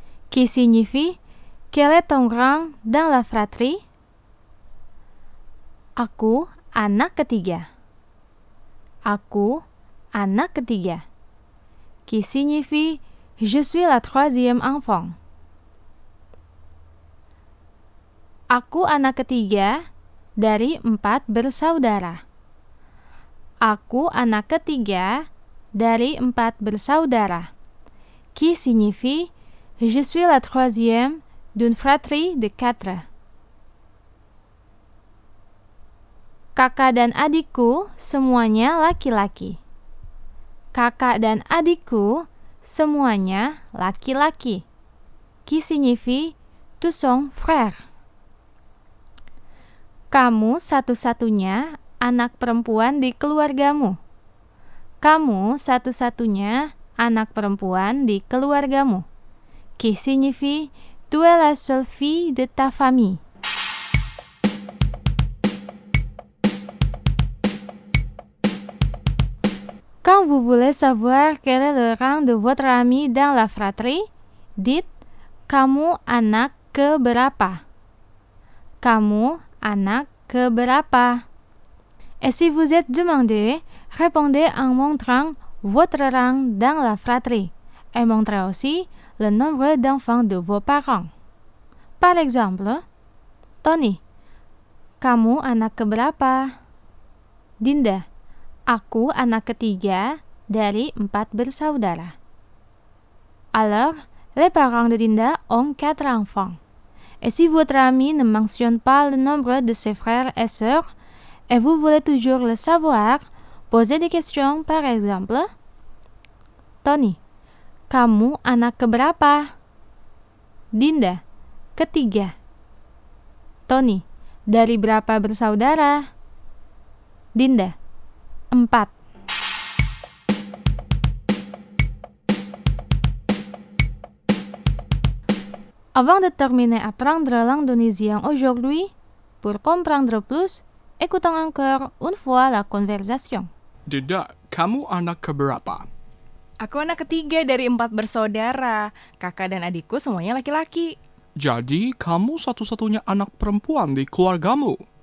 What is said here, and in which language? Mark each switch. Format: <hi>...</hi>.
<fr>Qui signifie quel est ton rang dans la fratrie?</fr> <id>Aku anak ketiga. Aku anak ketiga.</id> <fr>Qui signifie je suis la troisième enfant.</fr> <id>Aku anak ketiga dari 4 bersaudara. Aku anak ketiga dari 4 bersaudara.</id> <fr>Qui signifie je suis la troisième d'une fratrie de 4.</fr> <id>Kakak dan adikku semuanya laki-laki. Kakak dan adikku semuanya laki-laki.</id> <fr>Qui signifie tous sont frères.</fr> <id>Kamu satu-satunya anak perempuan di keluargamu. Kamu satu-satunya anak perempuan di keluargamu.</id> <fr>Qui signifie tu es la seule fille de ta famille. Quand vous voulez savoir quel est le rang de votre ami dans la fratrie, dites</fr> <id>kamu anak keberapa. Kamu anak keberapa.</id> <fr>Et si vous êtes demandé, répondez en montrant votre rang dans la fratrie et montrez aussi le nombre d'enfants de vos parents. Par exemple, Tony,</fr> <id>kamu anak keberapa? Dinda, aku anak ketiga dari 4 bersaudara.</id> <fr>Alors, les parents de Dinda ont 4 enfants. Et si votre ami ne mentionne pas le nombre de ses frères et sœurs et vous voulez toujours le savoir, posez des questions, par exemple, Tony,</fr> <id>kamu anak keberapa?</id> <fr>Dinda, ketiga.</fr> <id>Tony, dari berapa bersaudara? Dinda, 4.</id> <fr>Avant de terminer à prendre la langue tunisienne aujourd'hui, pour comprendre plus, écoutons encore une fois la conversation.</fr> <id>Dinda, kamu anak keberapa? Aku anak ketiga dari 4 bersaudara. Kakak dan adikku semuanya laki-laki. Jadi, kamu satu-satunya anak perempuan di keluargamu?</id>